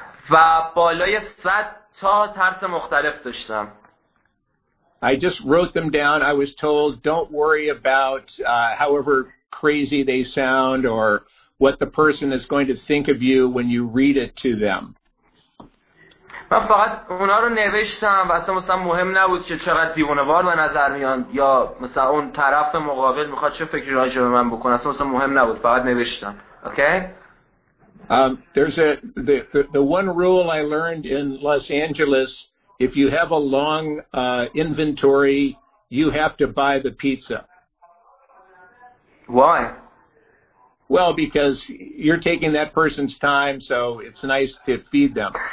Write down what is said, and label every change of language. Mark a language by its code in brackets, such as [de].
[fa] و بالای 100 تا ترس مختلف داشتم. [en] I just wrote them down. I was told, don't worry about however crazy they sound or... what the person is going to think of you when you read it to them. [fa] من فقط اونا رو نوشتم و اصلا مثلا مهم نبود که چقدر دیوانوار به نظر میان یا مثلا اون طرف مقابل میخواد چه فکری راجع به من بکنه، اصلا مثلا مهم نبود، فقط نوشتم. [en] Okay? There's the one rule I learned in Los Angeles: if you have a long inventory, you have to buy the pizza. Why? Well, because you're taking that person's time, so it's nice to feed them.